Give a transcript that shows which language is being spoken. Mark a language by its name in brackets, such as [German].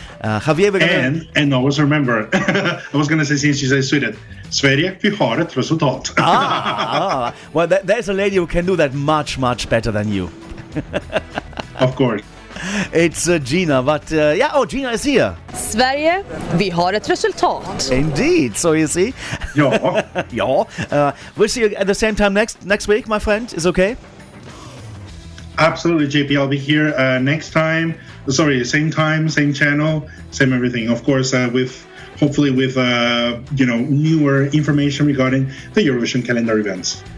[English] Javier, and always remember, I was going to say, since you say Sweden, [Swedish] Sverige, vi har ett resultat. [English] Well, there's a lady who can do that much, much better than you. Of course. It's Gina, but Gina is here. [Swedish] Sverige, vi har ett resultat. [English] Indeed, so you see. [Swedish] Ja. Ja. [English] We'll see you at the same time next week, my friend. Is okay? Absolutely, JP. I'll be here next time. Sorry, same time, same channel, same everything. Of course, with newer information regarding the Eurovision calendar events.